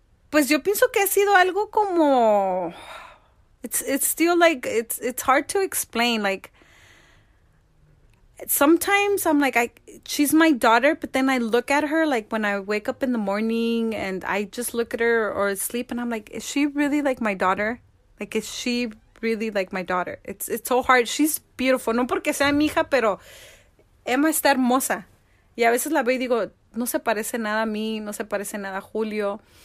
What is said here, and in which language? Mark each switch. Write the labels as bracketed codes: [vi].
[es] Pues yo pienso que ha sido algo como... [en] It's hard to explain. Like, sometimes I'm like, she's my daughter, but then I look at her, like, when I wake up in the morning and I just look at her or asleep and I'm like, is she really like my daughter? Like, is she... really like my daughter? It's so hard. She's beautiful. [es] No porque sea mi hija, pero Emma está hermosa. Y a veces la veo y digo, no se parece nada a mí, no se parece nada a Julio.